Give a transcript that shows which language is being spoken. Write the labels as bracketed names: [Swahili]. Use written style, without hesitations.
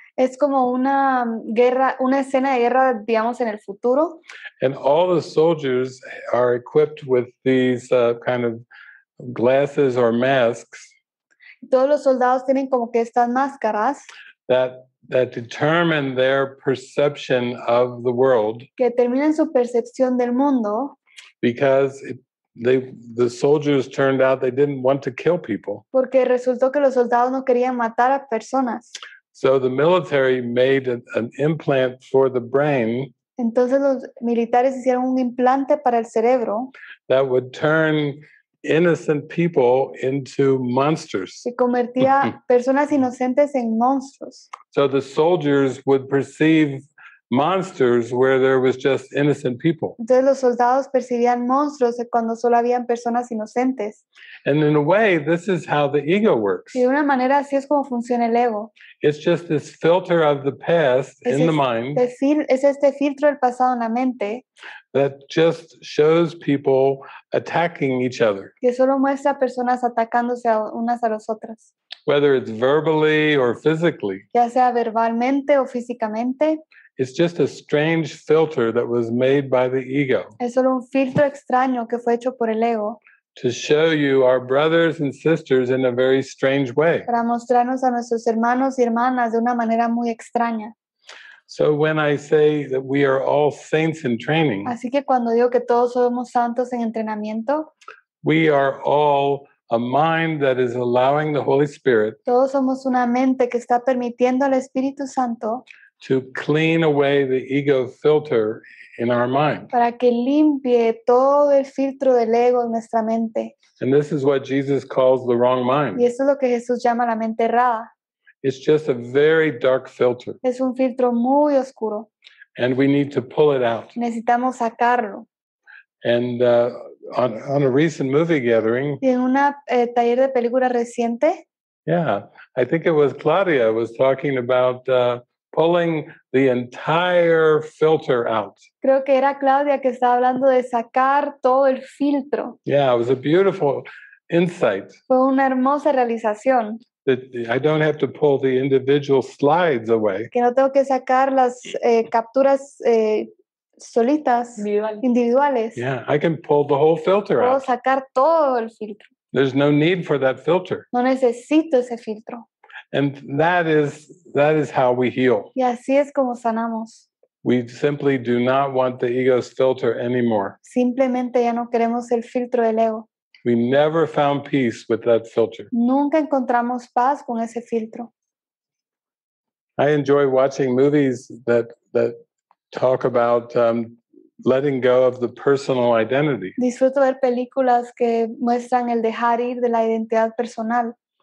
[Spanish] Es como una guerra, una escena de guerra, digamos, en el futuro. [English] And all the soldiers are equipped with these kind of glasses or masks. [Spanish] Todos los soldados tienen como que estas máscaras. [English] That determine their perception of the world. [Spanish] Que determinan su percepción del mundo. [English] Because the soldiers turned out they didn't want to kill people. [Spanish] Porque resultó que los soldados no querían matar a personas. [English] So the military made an implant for the brain. [Spanish] Entonces los militares hicieron un implante para el cerebro. [English] That would turn innocent people into monsters. [Spanish] Se convertía personas inocentes en monstruos. [English] So the soldiers would perceive monsters where there was just innocent people. [Spanish] Entonces los soldados percibían monstruos cuando solo habían personas inocentes. [English] And in a way, this is how the ego works. [Spanish] Y de una manera así es como funciona el ego. [English] It's just this filter of the past in the mind. [Spanish] Es este filtro del pasado en la mente. [English] That just shows people attacking each other. [Spanish] Que solo muestra personas atacándose unas a las otras. [English] Whether it's verbally or physically. [Spanish] Ya sea verbalmente o físicamente. [English] It's just a strange filter that was made by the ego. [Spanish] Es solo un filtro extraño que fue hecho por el ego. [English] To show you our brothers and sisters in a very strange way. [Spanish] Para mostrarnos a nuestros hermanos y hermanas de una manera muy extraña. [English] So when I say that we are all saints in training. [Spanish] Así que cuando digo que todos somos santos en entrenamiento. [English] We are all a mind that is allowing the Holy Spirit. [Spanish] Todos somos una mente que está permitiendo al Espíritu Santo. [English] To clean away the ego filter in our mind. [Spanish] Para que limpie todo el filtro del ego en nuestra mente. [English] And this is what Jesus calls the wrong mind. [Spanish] Y eso es lo que Jesús llama la mente errada. [English] It's just a very dark filter. [Spanish] Es un filtro muy oscuro. [English] And we need to pull it out. [Spanish] Necesitamos sacarlo. [English] And on a recent movie gathering. [Spanish] Y en una taller de película reciente. [English] Yeah, I think it was Claudia was talking about pulling the entire filter out. [Spanish] Creo que era Claudia que estaba hablando de sacar todo el filtro. [English] Yeah, it was a beautiful insight. [Spanish] Fue una hermosa realización. [English] That I don't have to pull the individual slides away. [Spanish] Que no tengo que sacar las capturas solitas, individuales. [English] Yeah, I can pull the whole filter [Spanish] Puedo [English] out. [Spanish] Puedo sacar todo el filtro. [English] There's no need for that filter. [Spanish] No necesito ese filtro. [English] And that is how we heal. [Spanish] Y así es como sanamos. [English] We simply do not want the ego's filter anymore. [Spanish] Simplemente ya no queremos el filtro del ego. [English] We never found peace with that filter. [Spanish] Nunca encontramos paz con ese filtro. [English] I enjoy watching movies that talk about letting go of the personal identity. [Spanish] Disfruto ver películas que muestran el dejar ir de la identidad personal.